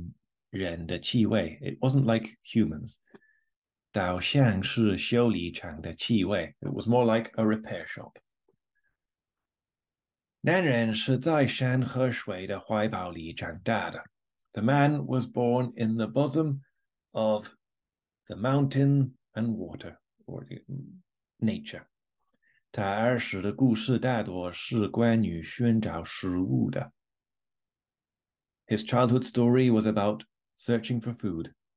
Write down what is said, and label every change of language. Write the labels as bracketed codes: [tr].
[zh] 那种气味不像人的气味. [en] It wasn't like humans. [zh] 倒像是修理厂的气味. [en] It was more like a repair shop. [zh] 男人是在山和水的怀抱里长大的. [en] The man was born in the bosom of the mountain and water, or nature. [zh] 他儿时的故事大多是关于寻找食物的. [en] His childhood story was about searching for food.